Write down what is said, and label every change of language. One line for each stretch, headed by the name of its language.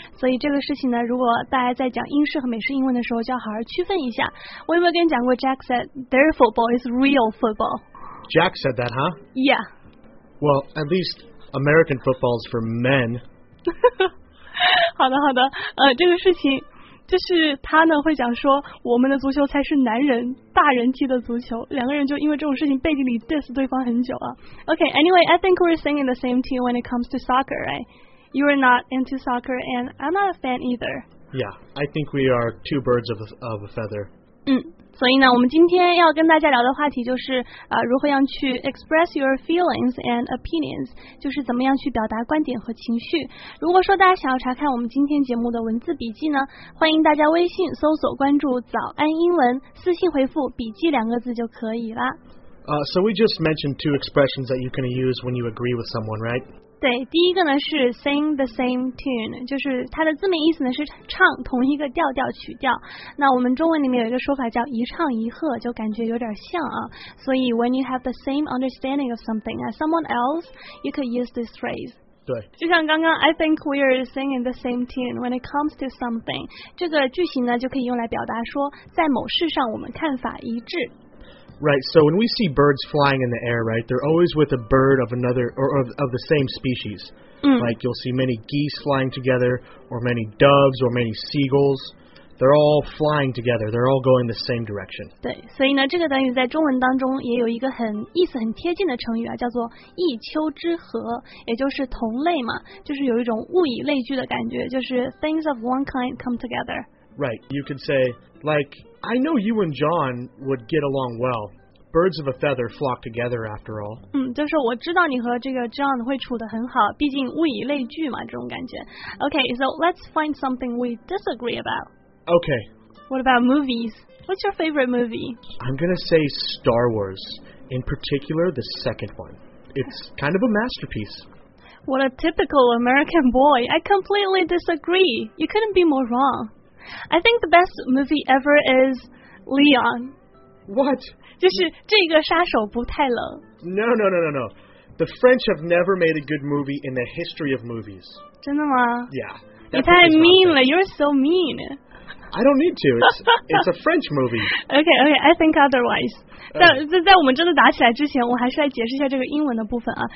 Chinese: 所以这个事情呢，如果大家在讲英式和美式英文的时候，就要好好区分一下。我有没有跟你讲过
English: ？Jack said their football is real football. Jack said that, huh? Yeah. Well, at least American football is for men.
Chinese: 好的，好的。这个事情就是他呢会讲说，我们的足球才是男人。大人踢的足球，两个人就因为这种事情背地里 diss 对方很久啊。
English: Okay, anyway, I think we're singing the same team when it comes to soccer, right? You are not into soccer, and I'm not a fan either. Yeah, I think we are two birds of a feather.
Chinese: 所以呢，我们今天要跟大家聊的话题就是如何样去
English: express your feelings and opinions,
Chinese: 就是怎么样去表达观点和情绪。如果说大家想要查看我们今天节目的文字笔记呢，欢迎大家微信搜索关注早安英文，私信回复笔记两个字就可以了。
English: So we just mentioned two expressions that you can use when you agree with someone, right?
Chinese: 对，第一个呢是
English: sing the same tune,
Chinese: 就是它的字面意思呢是唱同一个调调曲调。那我们中文里面有一个说法叫一唱一和，就感觉有点像啊。所以
English: when you have the same understanding of something as someone else, you could use this phrase.
Chinese: 对，就像刚刚
English: I think we are singing the same tune when it comes to something,
Chinese: 这个句型呢就可以用来表达说在某事上我们看法一致。
English: Right, so when we see birds flying in the air, right, they're always with a bird of another, or of the same species. Like, you'll see many geese flying together, or many doves, or many seagulls. They're all flying together. They're all going the same direction.
Chinese: 对，所以呢，这个短语在中文当中也有一个很意思很贴近的成语啊，叫做一丘之貉，也就是同类嘛，就是有一种物以类聚的感觉，就是
English: things of one kind come together. Right, you could say, like... I know you and John would get along well. Birds of a feather flock together, after all.
Chinese: 就是我知道你和这个 John 会处得很好，毕竟物以类聚嘛，这种感觉。
English: Okay, so let's find something we disagree about. Okay. What about movies? What's your favorite movie? I'm gonna say Star Wars, in particular the second one. It's kind of a masterpiece. What a typical American boy. I completely disagree. You couldn't be more wrong. I think the best movie ever is Leon. What?
Chinese: 就是这个杀手不太冷。
English: No. The French have never made a good movie in the history of movies.
Chinese: 真的吗？
English: Yeah.
Chinese: 你太 mean 了，
English: you're so mean. I don't need to, it's a French movie. Okay, I think otherwise.
Chinese: 在我们真的打起来之前，我还是来解释一下这个英文的部分啊。